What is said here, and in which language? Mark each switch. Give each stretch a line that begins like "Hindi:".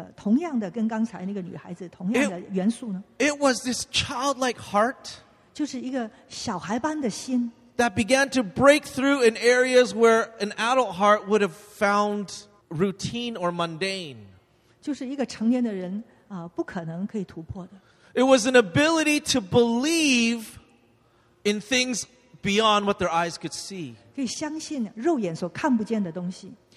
Chinese: 那是有什么那个同样的跟刚才那个女孩子同样的元素呢？
English: It was this childlike heart.
Chinese: 就是一个小孩般的心。
English: That began to break through in areas where an adult heart would have found routine or mundane.
Chinese: 就是一个成年的人不可能可以突破的。
English: It was an ability to believe in things beyond what their eyes could see.
Chinese: 可以相信肉眼所看不见的东西。